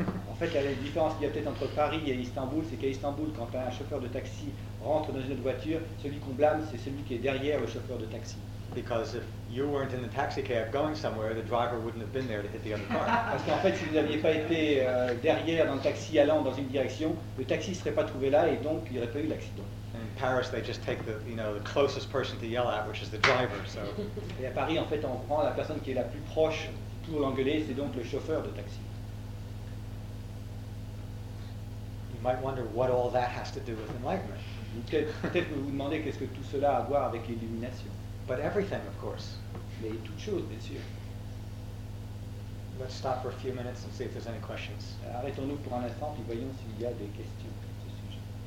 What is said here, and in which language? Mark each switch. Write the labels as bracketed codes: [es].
[fr] En fait, la différence qu'il y a peut-être entre Paris et Istanbul, c'est qu'à Istanbul, quand un chauffeur de taxi rentre dans une autre voiture, celui qu'on blâme, c'est celui qui est derrière le chauffeur de taxi. [en] Because if you weren't in the taxi cab going somewhere, the driver wouldn't have been there to hit the other car. [fr] Parce qu'en fait, si vous n'aviez pas été derrière dans le taxi allant dans une direction, le taxi ne serait pas trouvé là et donc il n'y aurait pas eu l'accident. [en] And in Paris, they just take the closest person to yell at, which is the driver. So. [fr] Et à Paris, en fait, on prend la personne qui est la plus proche pour l'engueuler, c'est donc le chauffeur de taxi. [en] You might wonder what all that has to do with enlightenment. [fr] Peut-être vous vous demandez qu'est-ce que tout cela a à voir avec l'illumination. [en] But everything, of course. [fr] Mais toute chose, bien sûr. [en] Let's stop for a few minutes and see if there's any questions. [fr] Arrêtons-nous pour un instant et voyons s'il y a des questions à ce sujet.